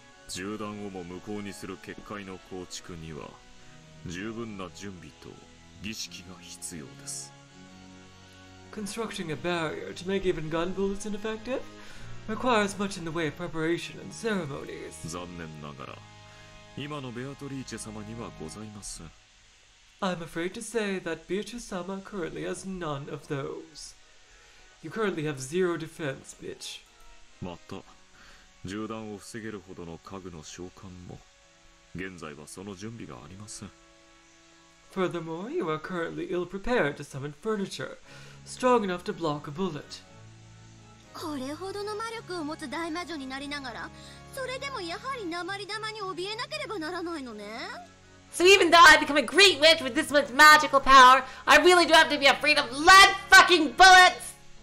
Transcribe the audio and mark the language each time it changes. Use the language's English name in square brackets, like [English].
[English] Constructing a barrier to make even gun bullets ineffective requires much in the way of preparation and ceremonies. [Japanese] 残念ながら, 今のベアトリーチェ様にはございません。 [English] I'm afraid to say that Beatrice-sama currently has none of those. You currently have zero defense, bitch. [Japanese] また、銃弾を防げるほどの家具の召喚も現在はその準備がありません。 [English] Furthermore, you are currently ill-prepared to summon furniture strong enough to block a bullet. [Japanese] これほどの魔力を持つ大魔女になりながら、それでもやはり鉛玉に怯えなければならないのね。 [English] So even though I become a great witch with this much magical power, I really do have to be afraid of lead fucking bullets!